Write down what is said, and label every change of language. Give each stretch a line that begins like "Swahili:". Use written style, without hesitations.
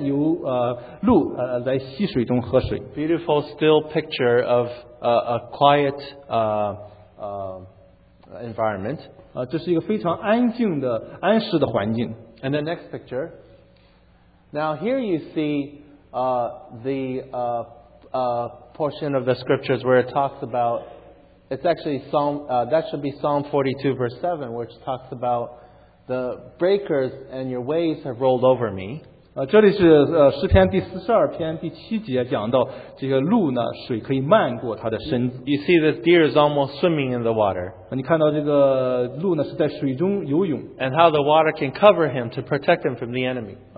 Chinese: 这里就讲到诗篇的42篇，由鹿来溪水中喝水。
English: Beautiful still picture of a quiet environment.
Chinese: 这是一个非常安静的安适的环境。
English: And the next picture. Now here you see portion of the scriptures where it talks about. It's actually Psalm, that should be Psalm 42, verse 7, which talks about the breakers and your waves have rolled over me.
Chinese: 这里是诗篇第42篇第七节讲到这个鹿呢，水可以漫过它的身子。
English: You see this deer is almost swimming in the water.
Chinese: 你看到这个鹿呢，是在水中游泳。
English: And how the water can cover him to protect him from the enemy.